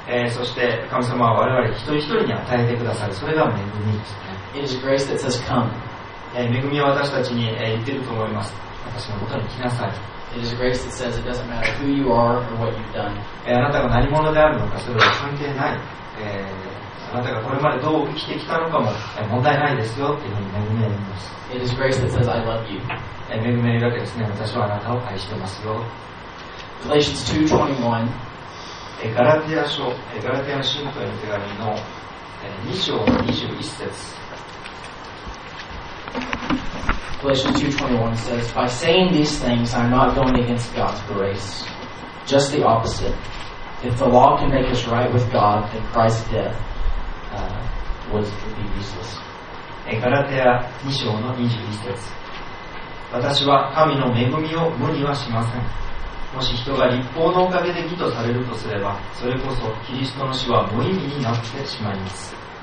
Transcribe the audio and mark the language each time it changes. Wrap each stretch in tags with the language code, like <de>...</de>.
<ja>そして神様は我々一人一人に与えてくださる。それが恵みですね。</ja> <en>It is grace that says come.</en> <ja>恵みは私たちに言ってると思います。私のもとに来なさい。</ja> <en>It is grace that says it doesn't matter who you are or what you've done.</en> <ja>あなたが何者であるのかそれは関係ない。あなたがこれまでどう生きてきたのかも問題ないですよっていうふうに恵みを言います。</ja> <en>It is grace that says I love you.</en> <ja>恵みだけですね。私はあなたを愛してますよ。</ja> <en>Galatians 2:21.</en> <ja>ガラティア信徒への手紙の2章21節。</ja> <en>Galatians 2:21 says, By saying these things, I am not going against God's grace. Just the opposite. If the law can make us right with God, then Christ's death would be useless.</en> <ja>ガラテア2章の21節。私は神の恵みを無にはしません。もし人が立法のおかげで義とされるとすれば、それこそキリストの死は無意味になってしまいます。</ja>